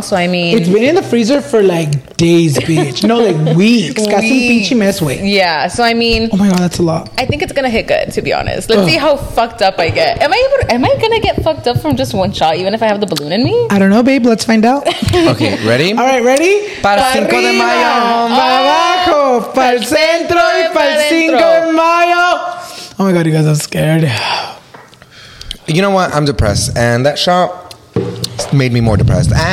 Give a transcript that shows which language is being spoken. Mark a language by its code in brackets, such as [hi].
[en] So I mean, it's been in the freezer for like days, bitch. No, like weeks. Got some pinchy mess way. Yeah. So I mean, oh my god, that's a lot. I think it's gonna hit good, to be honest. Let's see how fucked up I get. Am I gonna get fucked up from just one shot, even if I have the balloon in me? I don't know, babe. Let's find out. Okay, ready? All right, ready? [es] Para cinco de mayo, para abajo, para centro y para cinco de mayo. [en] Oh my god, you guys, I'm scared. You know what? I'm depressed. And that shot made me more depressed.